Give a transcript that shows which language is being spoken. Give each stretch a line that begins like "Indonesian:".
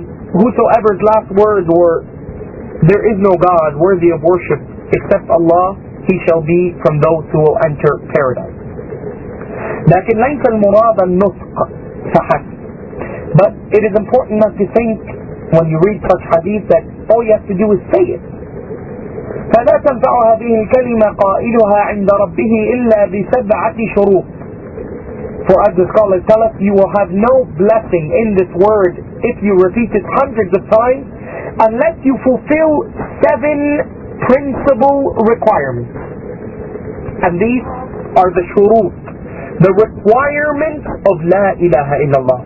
English: Whosoever's last words were, there is no God worthy of worship except Allah, he shall be from those who will enter paradise.
Arabic: لكن ليس المراد النطق فحسب.
English: But it is important not to think when you read such hadith that all you have to do is say it.
Arabic: فلا تنفع هذه الكلمة قائلها عند ربه إلا بسبعة شروط.
English: For as the scholars tell us, you will have no blessing in this word if you repeat it hundreds of times unless you fulfill 7 principal requirements. And these are the shuroot, the requirements of La ilaha illallah.